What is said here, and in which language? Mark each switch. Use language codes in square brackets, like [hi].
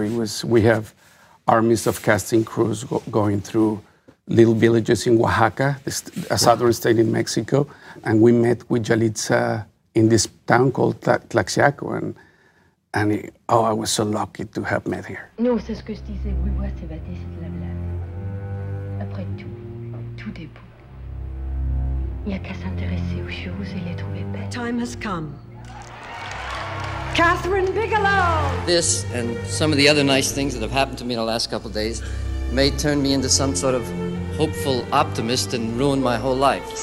[en] It was, we have armies of casting crews going through little villages in Oaxaca, a southern state in Mexico, and we met with Yalitza in this town called Tlaxiaco, and I was so lucky to have met her. [fr] No, c'est ce que je disais. Oui, moi, c'est bâti, c'est de la blague. Après tout, tout est beau. Il n'y a qu'à s'intéresser aux choses et les trouver belles. [en] Time has come. Catherine Bigelow! This and some of the other nice things that have happened to me in the last couple of days may turn me into some sort of hopeful optimist and ruin my whole life.